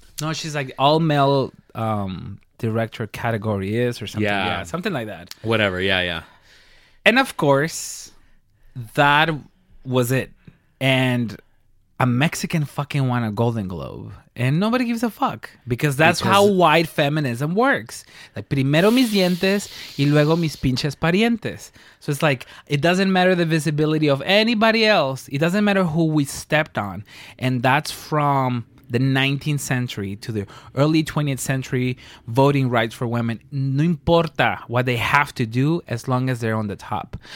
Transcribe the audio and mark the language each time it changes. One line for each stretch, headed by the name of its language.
English: No, she's like, all male director category is, or something. Yeah. Something like that. Whatever, yeah. And of course, that was it. And a Mexican fucking won a Golden Globe. And nobody gives a fuck. Because that's how white feminism works.
Spanish: Like, primero mis dientes y luego mis pinches parientes.
English: So it's like, it doesn't matter the visibility of anybody else. It doesn't matter who we stepped on. And that's from the 19th century to the early 20th century voting rights for women.
Spanish: No importa
English: what they have to do as long as they're on the top.